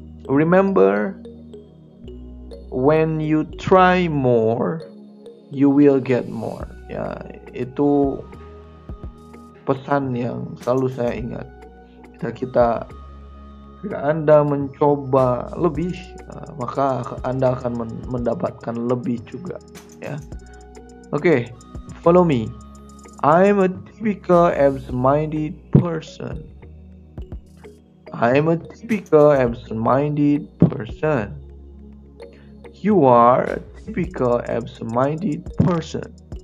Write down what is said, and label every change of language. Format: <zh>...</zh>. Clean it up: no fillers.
<en>Remember, when you try more, you will get more.</en> <id>Ya, itu pesan yang selalu saya ingat. Jika Anda mencoba lebih, maka Anda akan mendapatkan lebih juga.</id> <en>Ya. Oke, okay, follow me. I'm a typical absent-minded person. I'm a typical absent-minded person. You are a typical absent-minded person.</en>